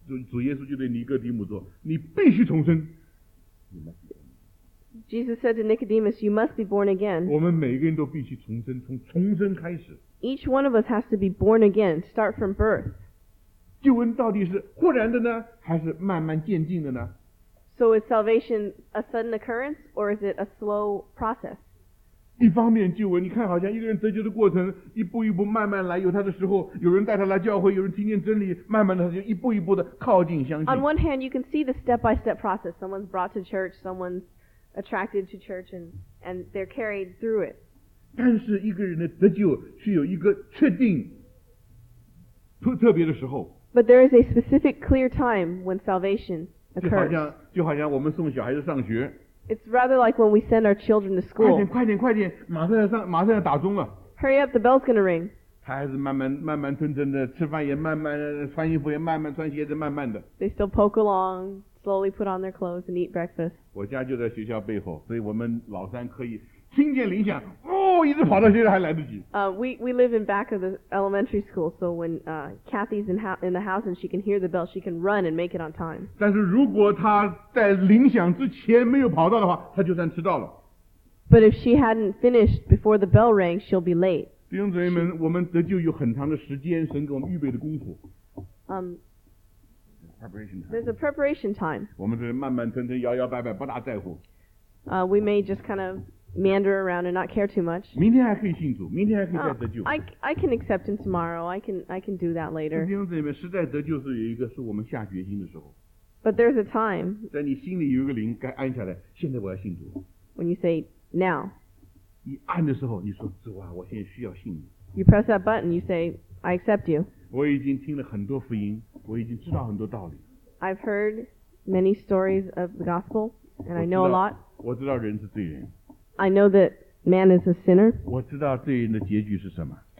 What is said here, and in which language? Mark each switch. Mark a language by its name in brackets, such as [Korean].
[Chinese] 主耶稣就对尼哥底母说，你必须重生。 [English] Jesus said to Nicodemus, you must be born again. [Chinese] 我们每个人都必须重生，从重生开始。 [English] Each one of us has to be born again, start from birth. [Chinese] 救恩到底是忽然的呢，还是慢慢渐进的呢？ [English] So is salvation a sudden occurrence, or is it a slow process? [Chinese] 一方面救恩，你看好像一个人得救的过程一步一步慢慢来，有他的时候，有人带他来教会，有人听见真理，慢慢的他就一步一步的靠近相信。 [English] On one hand you can see the step by step process, someone's brought to church, someone's attracted to church and they're carried through it. [Chinese] 但是一个人的得救是有一个确定特别的时候。 [English] But there is a specific clear time when salvation occurs. [Chinese] 就好像我们送小孩子上学。 [English] It's rather like when we send our children to school. [Chinese] 快点，马上要打钟了。 [English] Hurry up, the bell's gonna ring. [Chinese] 他还是慢慢吞吞的，吃饭也慢慢，穿衣服也慢慢，穿鞋子慢慢的。 [English] They still poke along, slowly put on their clothes and eat breakfast. [Chinese] 我家就在学校背后，所以我们老三可以听见铃响，哦，一直跑到学校还来得及。 [English] We live in back of the elementary school, so when Kathy's in the house and she can hear the bell, she can run and make it on time. [Chinese] 但是如果她在铃响之前没有跑到的话，她就算迟到了。 [English] But if she hadn't finished before the bell rang, she'll be late. [Chinese] 弟兄姊妹们，我们得救有很长的时间，神给我们预备的功夫。 [English] There's a preparation time. [Chinese] 我们这慢慢吞吞，摇摇摆摆，不大在乎。 [English] We may just kind of. Meander around and not care too much. [Chinese] 明天还可以信主，明天还可以再得救。 [English] I can accept him tomorrow. I can do that later. [Chinese] 弟兄姊妹们，实在得救是有一个，是我们下决心的时候。 [English] But there's a time. [Chinese] 在你心里有一个灵该按下来，现在我要信主。 [English] When you say now. [Chinese] 你按的时候，你说主啊，我现在需要信你。 [English] You press that button. You say I accept you. [Chinese] 我已经听了很多福音，我已经知道很多道理。 [English] I've heard many stories of the gospel, and I know a lot. [Chinese] 我知道人是罪人。 [English] I know that man is a sinner. [Chinese] 我知道罪人的结局是什么。